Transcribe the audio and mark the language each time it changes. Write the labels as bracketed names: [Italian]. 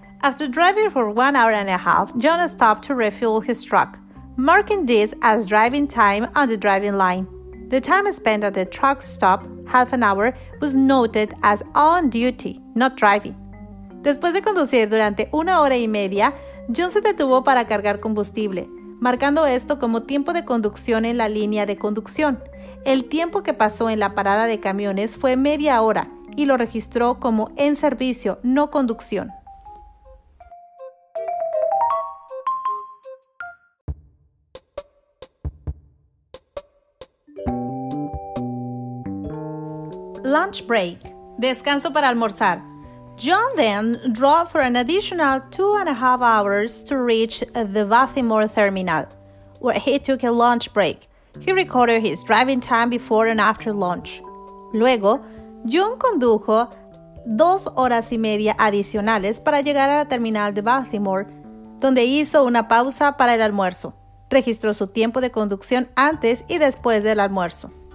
[English] After driving for 1 hour and a half, John stopped to refuel his truck, marking this as driving time on the driving line. The time spent at the truck stop, half an hour, was noted as on duty, not driving. [Spanish] Después de conducir durante una hora y media, John se detuvo para cargar combustible, marcando esto como tiempo de conducción en la línea de conducción. El tiempo que pasó en la parada de camiones fue media hora y lo registró como en servicio, no conducción. [English] Lunch break. [Spanish] Descanso para almorzar. [English] John then drove for an additional 2.5 hours to reach the Baltimore terminal, where he took a lunch break. He recorded his driving time before and after lunch. [Spanish] Luego, John condujo 2 horas y media adicionales para llegar a la terminal de Baltimore, donde hizo una pausa para el almuerzo. Registró su tiempo de conducción antes y después del almuerzo.